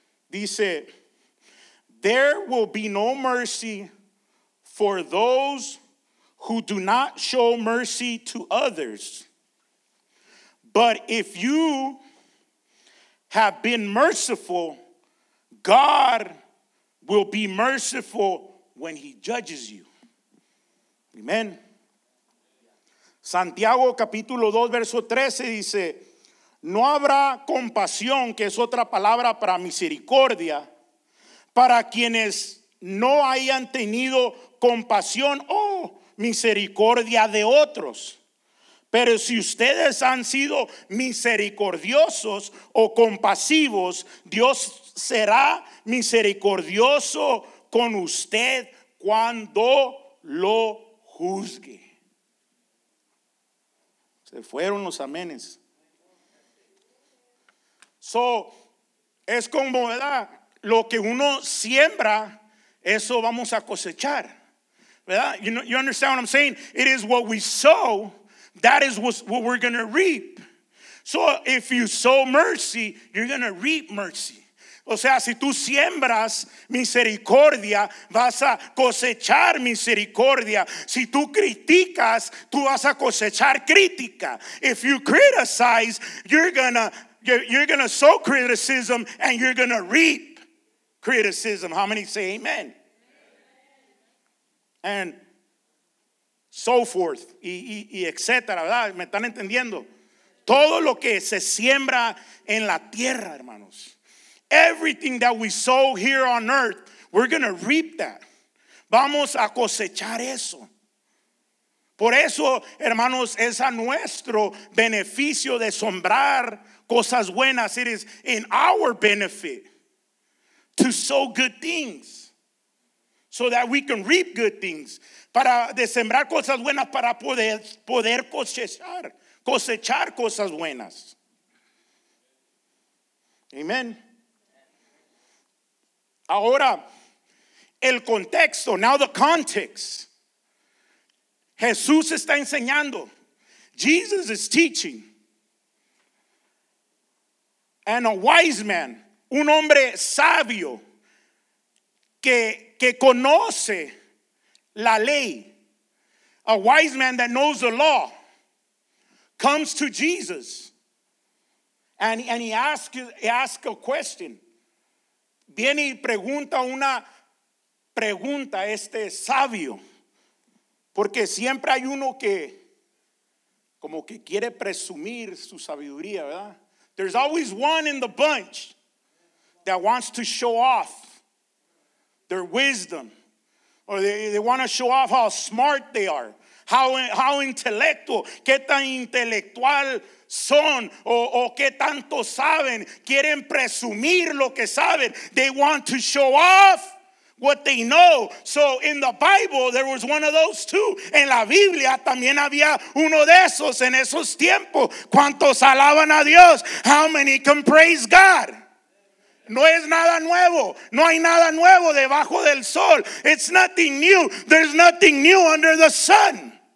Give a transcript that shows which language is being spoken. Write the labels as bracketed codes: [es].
[en] Dice, there will be no mercy for those who do not show mercy to others. But if you have been merciful, God will be merciful when he judges you. Amen. [es] Santiago capítulo 2, verso 13 dice, no habrá compasión, que es otra palabra para misericordia, para quienes no hayan tenido compasión o misericordia de otros. Pero si ustedes han sido misericordiosos o compasivos, Dios será misericordioso con usted cuando lo juzgue. Se fueron los amenes. So, es como, ¿verdad? Lo que uno siembra, eso vamos a cosechar, ¿verdad? [en] You know, you understand what I'm saying? It is what we sow, that is what we're going to reap. So, if you sow mercy, you're going to reap mercy. [es] O sea, si tú siembras misericordia, vas a cosechar misericordia. Si tú criticas, tú vas a cosechar crítica. [en] If you criticize, you're gonna sow criticism and you're gonna reap criticism. How many say amen? And so forth. [es] Y etcétera, ¿verdad? ¿Me están entendiendo? Todo lo que se siembra en la tierra, hermanos. [en] Everything that we sow here on earth, we're gonna reap that. [es] Vamos a cosechar eso. Por eso, hermanos, es a nuestro beneficio de sembrar cosas buenas. [en] It is in our benefit to sow good things so that we can reap good things. [es] Para de sembrar cosas buenas para poder cosechar cosas buenas. Amen. Ahora, el contexto, [en] now the context. [es] Jesús está enseñando. [en] Jesus is teaching. And a wise man, [es] un hombre sabio que conoce la ley. [en] a wise man that knows the law, comes to Jesus. And he asks a question. [es] Viene y pregunta una pregunta este sabio. Porque siempre hay uno que como que quiere presumir su sabiduría, ¿verdad? [en] There's always one in the bunch that wants to show off their wisdom. Or they want to show off how smart they are. How intelectual. [es] Qué tan intelectual son. O qué tanto saben. Quieren presumir lo que saben. [en] They want to show off what they know. So in the Bible, there was one of those too. [es] En la Biblia también había uno de esos en esos tiempos. ¿Cuántos alaban a Dios? [en] How many can praise God? [es] No es nada nuevo. No hay nada nuevo debajo del sol. [en] It's nothing new. There's nothing new under the sun.